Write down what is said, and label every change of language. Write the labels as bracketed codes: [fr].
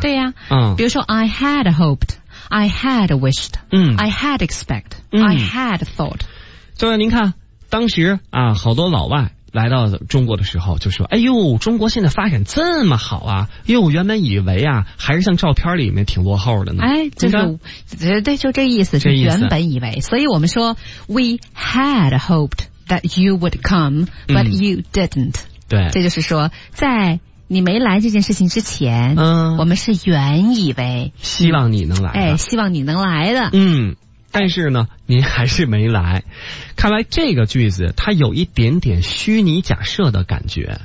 [zh] 对呀，比如说 [en] I had hoped, I had wished, I had expect, I had thought。 [zh] 就是您看当时啊，好多老外来到中国的时候就说，哎呦，中国现在发展这么好啊，哟，原本以为啊还是像照片里面挺落后的呢。哎，就是对，就这意思，这意思，原本以为。所以我们说 [en] We had hoped that you would come, but you didn't。 [zh] 对，这就是说在你没来这件事情之前，我们是原以为希望你能来的，哎，希望你能来的，但是呢您还是没来。看来这个句子它有一点点虚拟假设的感觉。